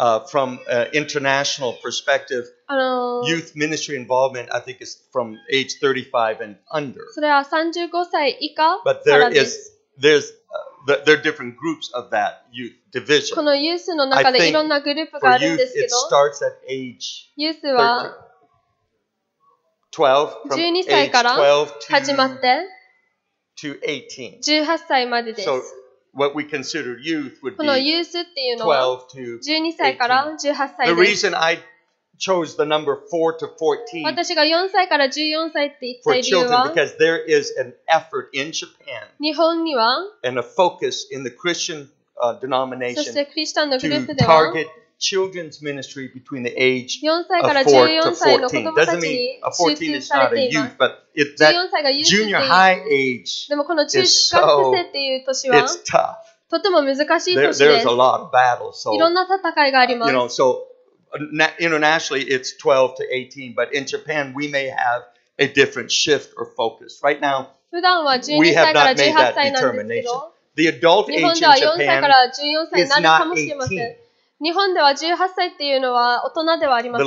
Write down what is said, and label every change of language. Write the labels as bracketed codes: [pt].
[en] From an international perspective, youth ministry involvement, I think, is from age 35 and under. But there are different groups of that youth division. [ja] このユースの中でいろんなグループがあるんですけど、ユースは12 歳から始まって18歳までです。 [en] So what we consider youth would be [ja] このユースっていうのは12歳から18歳です。 [en] The reason I chose the number 4 to 14. [ja] 私が4歳から14歳って言った理由は、 [en] for children, because there is an effort in Japan, [ja] 日本には、 [en] and a focus in the Christian denomination, [ja] そしてクリスチャンのグループでは、 [en] to target children's ministry between the age of 4 to 14. Doesn't mean a 14 is not a youth, but it, that junior high age is so, it's tough. [ja] とても難しい年です。 [en] There's a lot of battles. [ja] いろんな戦いがあります。 [en] Internationally, it's 12 to 18, but in Japan, we may have a different shift or focus. Right now, we have not made that determination. The adult age in Japan is not 18. [ja] 日本では18歳っていうのは大人ではありません。